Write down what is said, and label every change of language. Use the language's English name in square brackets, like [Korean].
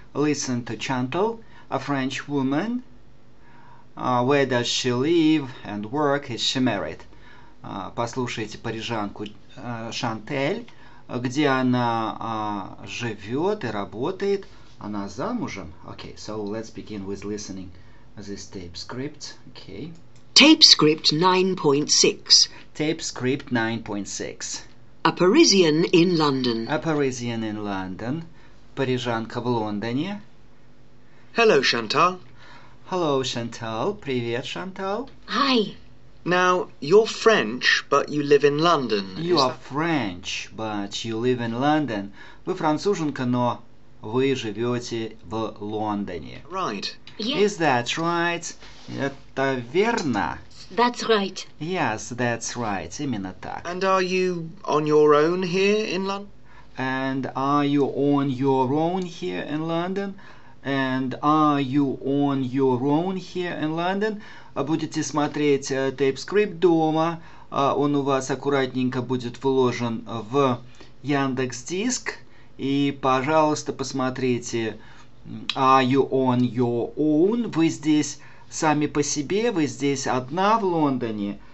[English] Listen to Chantal, a French woman. Where does she live and work? Is she married? [Russian] Послушайте парижанку Шантель. Где она живет и работает? Она замужем? [English] Okay, so let's begin with listening this tape script. Okay. Tape script 9.6. Tape script 9.6. A Parisian in London. A Parisian in London. [Russian] Парижанка в Лондоне. [English] Hello, Chantal. Hello, Chantal. [Russian] Привет, [English] Chantal. Hi. Now, you're French, but you live in London. You are French, but you live in London. [Russian] Вы француженка, но вы живете в Лондоне. [English] Right. Yes. Is that right? [Russian] Это верно? [English] That's right. Yes, that's right. [Russian] Именно так. [English] And are you on your own here in London? And are you on your own here in London? And are you on your own here in London? [Russian] Будете смотреть тейп-скрипт дома. Он у вас аккуратненько будет вложен в Яндекс.Диск. И, пожалуйста, посмотрите. [English] Are you on your own? [Russian] Вы здесь сами по себе, вы здесь одна в Лондоне.